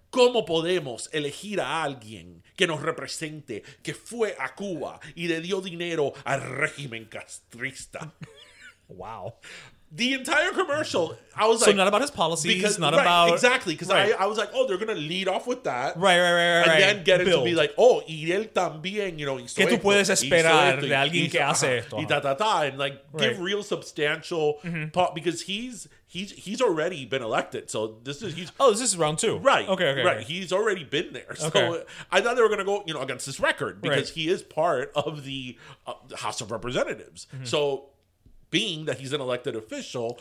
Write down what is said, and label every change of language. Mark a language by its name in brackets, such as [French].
[Spanish] ¿Cómo podemos elegir a alguien que nos represente, que fue a Cuba y le dio dinero al régimen castrista? [English] Wow. The entire commercial, I was so like... So not about his policies, because, not right, about... Exactly, because right. I was like, oh, they're going to lead off with that. Right. And then get it to be like, oh, [Spanish] y él también, [English] you know, [Spanish] hizo esto. ¿Qué tú puedes esperar de alguien que hace esto? [English] Y ta-ta-ta, and like, right. Give real substantial... Mm-hmm. Because he's already been elected, so this is... Oh, this is round two. Right. Okay. Right, he's already been there. So okay. I thought they were going to go, you know, against this record, because right. He is part of the House of Representatives. Mm-hmm. So... Being that he's an elected official,